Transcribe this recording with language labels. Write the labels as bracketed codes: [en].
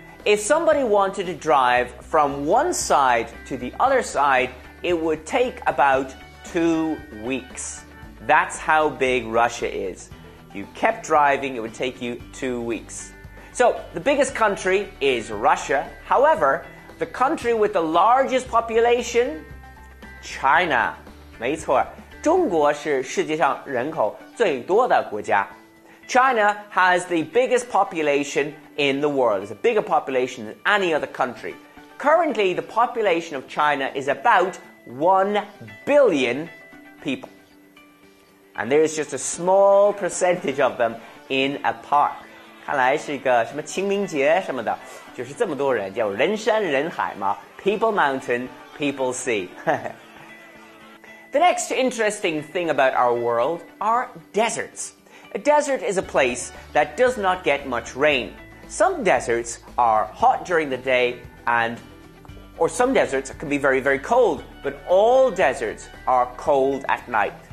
[en] If somebody wanted to drive from one side to the other side, it would take about 2 weeks. That's how big Russia is. If you kept driving, it would take you 2 weeks. So, the biggest country is Russia. However, the country with the largest population, China. [zh] 没错，中国是世界上人口最多的国家。 [en] China has the biggest population in the world. It's a bigger population than any other country. Currently, the population of China is about 1 billion people. And there is just a small percentage of them in a park. [zh] 看来是一个什么清明节什么的，就是这么多人，叫人山人海嘛。 [en] People mountain, people sea. The next interesting thing about our world are deserts. A desert is a place that does not get much rain. Some deserts are hot during the day or some deserts can be very, very cold, but all deserts are cold at night.